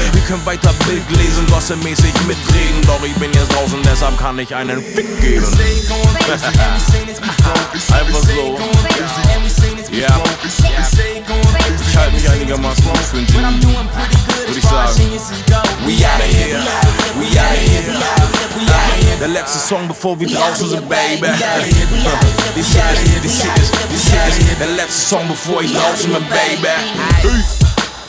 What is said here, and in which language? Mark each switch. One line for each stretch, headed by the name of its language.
German: Wir können weiter Bild lesen, gossemäßig mitreden. Doch ich bin jetzt draußen, deshalb kann ich einen Fick geben. Einfach so. Ja. Ich halte mich einigermaßen gut für ein Genie, würde ich sagen.
English: We outta here, we outta here.
German: Der letzte Song, bevor wir draußen sind, Baby.
English: This hit is, this hit is, this hit is.
German: Der letzte Song, bevor ich draußen bin, Baby.